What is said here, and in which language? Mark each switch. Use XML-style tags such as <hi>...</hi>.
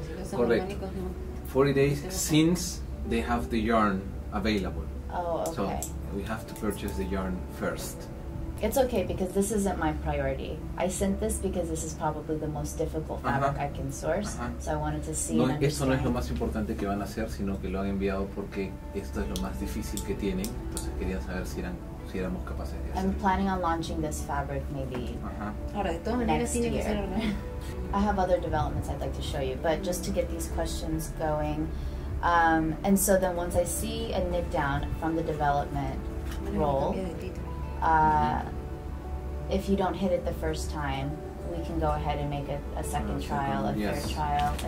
<en>Correct. 40 days since they have the yarn available. Oh, okay. So we have to purchase the yarn first. It's okay because this isn't my priority. I sent this because this is probably the most difficult fabric I can source. So I wanted to see. No, and</en> <es>eso no es lo más importante que van a hacer, sino que lo han enviado porque esto es lo más difícil que tienen. Entonces querían saber si eran, si éramos capaces de hacerlo.</es> <en>I'm planning on launching this fabric maybe. I have other developments I'd like to show you, but just to get these questions going, and so then once I see a knit down from the development roll. if you don't hit it the first time, we can go ahead and make a second trial, a third trial.</en>